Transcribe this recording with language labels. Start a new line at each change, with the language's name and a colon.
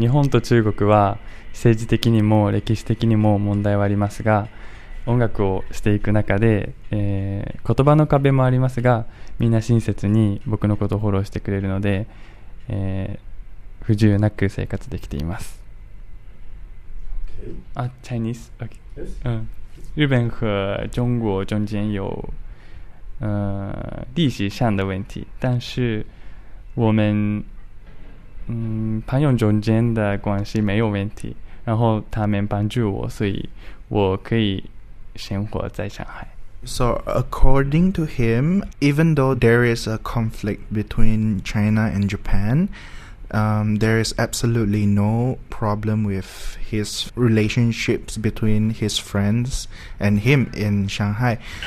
Japanese: 日本と中国は政治的にも歴史的にも問題はありますが、音楽をしていく中で、言葉の壁もありますが、みんな親切に僕のことをフォローしてくれるので、不自由なく生活できています。
English: Okay. Chinese? Okay. Yes.
Chinese: 日本和中国中间有历史上的问题，但是我们朋友中间的关系没有问题，然后他们帮助我，所以我可以生活在上海。
English: So according to him, even though there is a conflict between China and Japan, there is absolutely no problem with his relationships between his friends and him in Shanghai.